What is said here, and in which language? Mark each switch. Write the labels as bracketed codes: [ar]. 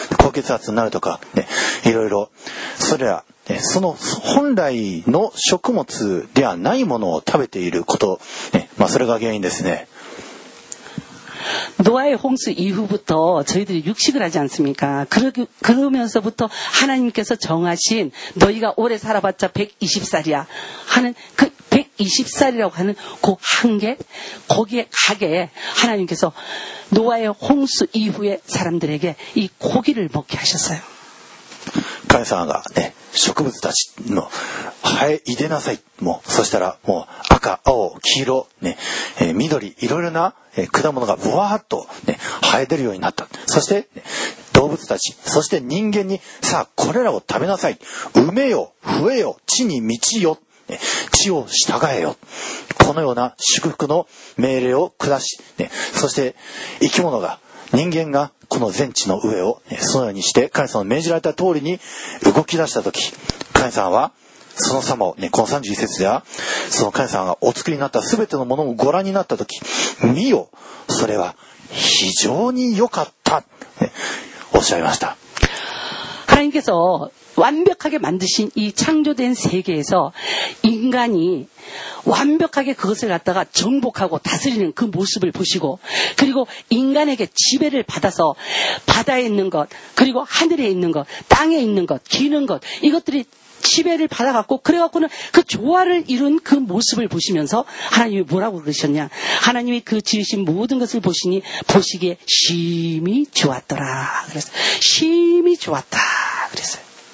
[ja] 神様が与えてくださったこのね果実ということではなくこのね本当に草を食べてるんですよ。神様が本来ね人間の食べ物にと与えてくださったのがねこの果物ね種を持つその木が実らせるもの草が実らせるものねそれらのものですけども、しかし今人間がねいろいろな不具合この体に起きてますね。肥満になるとか高血圧になるとかね いろいろそれはその本来の食物ではないものを食べていること、それが原因ですね。 [ko] 노아의 홍수 이후부터 저희들이 육식을 하지 않습니까? 그러면서부터 하나님께서 정하신 너희가 오래 살아봤자 120살이야 하는 그 120살이라고 하는 그 한계 거기에 가게 하나님께서 노아의 홍수 이후에 사람들에게 이 고기를 먹게 하셨어요. 가야사가 네 [ja] 植物たちの生え出なさいもうそしたらもう赤青黄色ね緑いろいろな果物がブワーッとね生え出るようになった。そして動物たちそして人間にさあこれらを食べなさい。埋めよ増えよ地に満ちよ地を従えよ。このような祝福の命令を下し、そして生き物が 人間がこの全地の上をそのようにして神様の命じられた通りに動き出した時、神様はその様をこの31節ではその神様がお作りになった全てのものをご覧になった時見よそれは非常に良かったおっしゃいました。 [ko] 하나님께서 완벽하게 만드신 이 창조된 세계에서 인간이 완벽하게 그것을 갖다가 정복하고 다스리는 그 모습을 보시고 그리고 인간에게 지배를 받아서 바다에 있는 것 그리고 하늘에 있는 것 땅에 있는 것 기는 것 이것들이 지배를 받아갖고 그래갖고는 그 조화를 이룬 그 모습을 보시면서 하나님이 뭐라고 그러셨냐 하나님이 그 지으신 모든 것을 보시니 보시기에 심히 좋았더라 그래서 심히 좋았다 그랬어요.